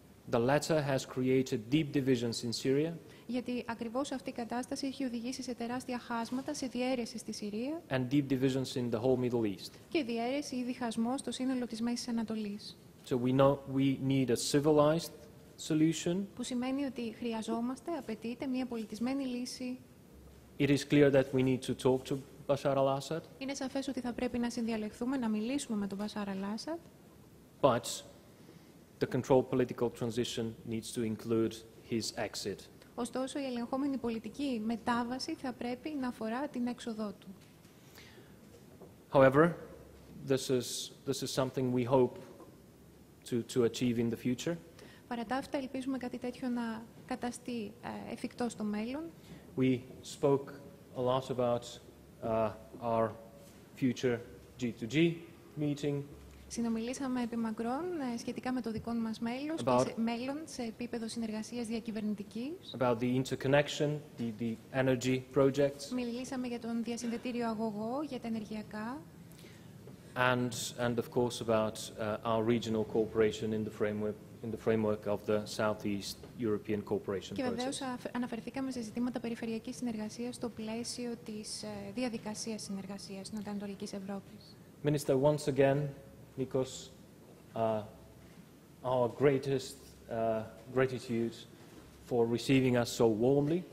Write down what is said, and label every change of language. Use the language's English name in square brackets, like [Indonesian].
[English] The latter has created deep divisions in Syria. [Greek] Γιατί ακριβώς αυτή η κατάσταση έχει οδηγήσει σε τεράστια χάσματα, σε διαίρεση στη Συρία. [English] And deep divisions in the whole Middle East. [Greek] Και διαίρεση ή διχασμό στο σύνολο της Μέσης Ανατολής. [English] So we need a civilized solution. [Greek] Που σημαίνει ότι χρειαζόμαστε, απαιτείται μια πολιτισμένη λύση. [English] It is clear that we need to talk to Bashar al-Assad. [Greek] Είναι σαφές ότι θα πρέπει να συνδιαλεχθούμε, να μιλήσουμε με τον Bashar al-Assad. [English] But the controlled political transition needs to include his exit. [Greek] Ωστόσο, η ελεγχόμενη πολιτική μετάβαση θα πρέπει να αφορά την έξοδό του. [English] However, this is something we hope to achieve in the future. [Greek] Παρά τα αυτά, ελπίζουμε κάτι τέτοιο να καταστεί εφικτό στο μέλλον. [English] We spoke a lot about our future G2G meeting. [Greek] Συνομιλήσαμε επί μακρόν σχετικά με το δικό μας μέλλον σε επίπεδο συνεργασίας διακυβερνητικής. [English] About the interconnection, the energy projects. [Greek] Μιλήσαμε για τον διασυνδετήριο αγωγό, για τα ενεργειακά. [English] And of course about our regional cooperation in the framework of the Southeast European Cooperation. [Greek] Και βεβαίως αναφερθήκαμε σε ζητήματα περιφερειακής συνεργασίας στο πλαίσιο της διαδικασίας συνεργασίας Νοτιοανατολικής Ευρώπης. [English] Minister, once again, Nikos, our greatest gratitude for receiving us so warmly.